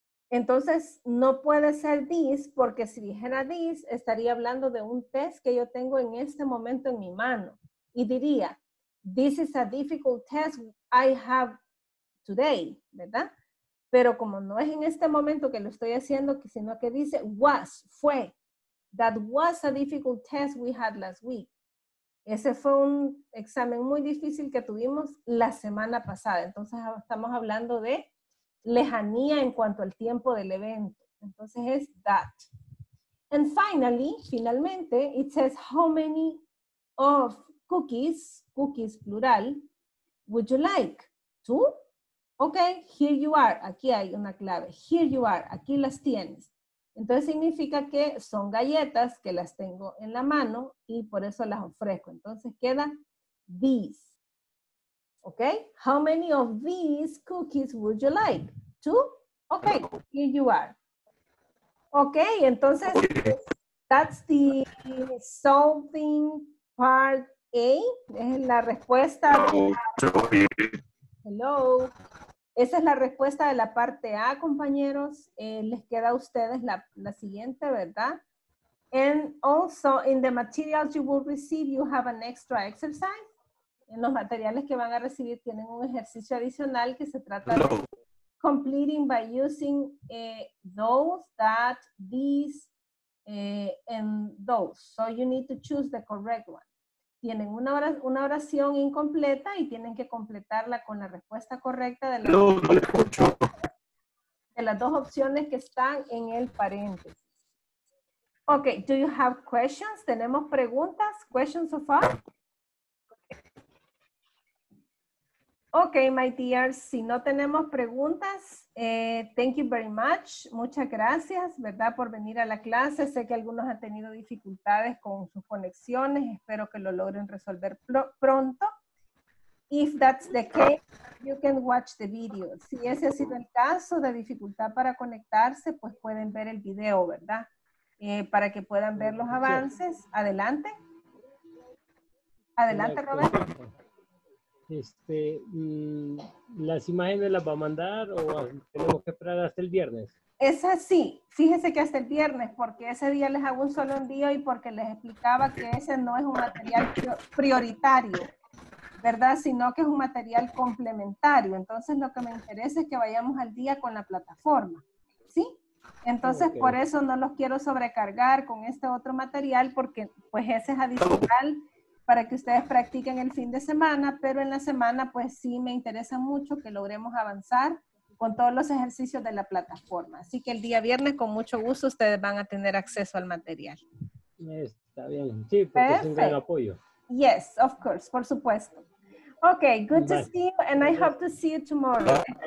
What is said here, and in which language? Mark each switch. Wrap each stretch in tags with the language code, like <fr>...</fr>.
<es>Entonces, no puede ser this, porque si dijera this, estaría hablando de un test que yo tengo en este momento en mi mano. Y diría,</es> <en>this is a difficult test I have today,</en> <es>¿verdad? Pero como no es en este momento que lo estoy haciendo, sino que dice was, fue.</es> <en>That was a difficult test we had last week.</en> <es>Ese fue un examen muy difícil que tuvimos la semana pasada. Entonces, estamos hablando de lejanía en cuanto al tiempo del evento. Entonces, es that.</es> <en>And finally,</en> <es>finalmente,</es> <en>it says, how many of cookies, cookies plural, would you like? Two? Okay, here you are.</en> <es>Aquí hay una clave.</es> <en>Here you are.</en> <es>Aquí las tienes. Entonces significa que son galletas que las tengo en la mano y por eso las ofrezco. Entonces queda these. ¿Ok?</es> <en>How many of these cookies would you like? Two? Ok, here you are. Ok,</en> <es>entonces</es> <en>that's the solving part A.</en> <es>Es la respuesta.</es> <en>Hello.</en> <es>Esa es la respuesta de la parte A, compañeros. Les queda a ustedes la siguiente, ¿verdad?</es> <en>And also, in the materials you will receive, you have an extra exercise.</en> <es>En los materiales que van a recibir tienen un ejercicio adicional que se trata de</es> <en>completing by using those, that, these, and those. So you need to choose the correct one.</en> <es>Tienen una oración incompleta y tienen que completarla con la respuesta correcta de las dos opciones que están en el paréntesis.</es> <en>Ok, do you have questions?</en> <es>¿Tenemos preguntas?</es> <en>¿Questions so far? Ok, my dears,</en> <es>si no tenemos preguntas,</es> <en>thank you very much.</en> <es>Muchas gracias, ¿verdad?, por venir a la clase. Sé que algunos han tenido dificultades con sus conexiones. Espero que lo logren resolver pronto.</es> <en>If that's the case, you can watch the video.</en> <es>Si ese ha sido el caso de dificultad para conectarse, pues pueden ver el video, ¿verdad? Para que puedan ver los avances. Adelante. Adelante, Roberto. Este, ¿las imágenes las va a mandar o tenemos que esperar hasta el viernes? Es así, fíjense que hasta el viernes, porque ese día les hago un solo envío y porque les explicaba que ese no es un material prioritario, ¿verdad? Sino que es un material complementario. Entonces lo que me interesa es que vayamos al día con la plataforma, ¿sí? Entonces por eso no los quiero sobrecargar con este otro material porque pues ese es adicional para que ustedes practiquen el fin de semana, pero en la semana pues sí me interesa mucho que logremos avanzar con todos los ejercicios de la plataforma. Así que el día viernes con mucho gusto ustedes van a tener acceso al material. Está bien, sí, porque es un gran apoyo.</es> <en>Yes, of course,</en> <es>por supuesto.</es> <en>Ok, good to see you and I hope to see you tomorrow.</en>